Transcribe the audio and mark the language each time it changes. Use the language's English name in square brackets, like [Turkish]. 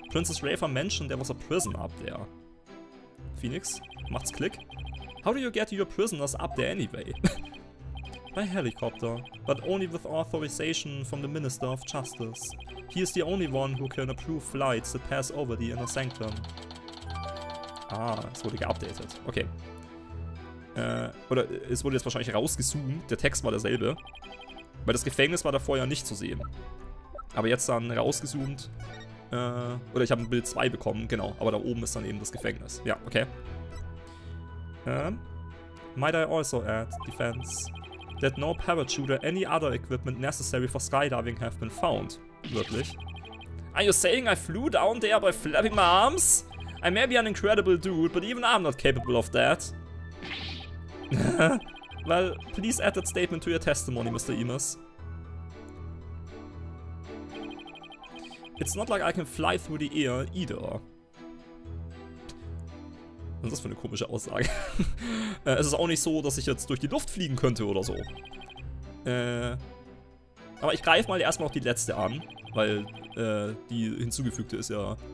[English] Princess Rafer mentioned there was a prison up there. Phoenix, [German] macht's Klick? [English] How do you get your prisoners up there anyway? by helicopter, but only with authorization from the Minister of Justice. He is the only one who can approve flights that pass over the Inner Sanctum. [German] Ah, es wurde geupdatet. Okay. Oder es wurde jetzt wahrscheinlich rausgezoomt, der Text war derselbe. Weil das Gefängnis war davor ja nicht zu sehen. Aber jetzt dann rausgezoomt. Oder ich habe ein Bild 2 bekommen, genau. Aber da oben ist dann eben das Gefängnis. Ja, okay. [English] Might I also add, Defense, that no parachute or any other equipment necessary for skydiving have been found. [German] Wirklich? [English] Are you saying I flew down there by flapping my arms? I may be an incredible dude, but even I'm not capable of that. Well, please add that statement to your testimony, Mr. Emus. It's not like I can fly through the air either. [German] Was ist das für eine komische Aussage? Es ist auch nicht so, dass ich jetzt durch die Luft fliegen könnte oder so. Aber ich greife mal erstmal noch die letzte an, weil die hinzugefügte ist ja...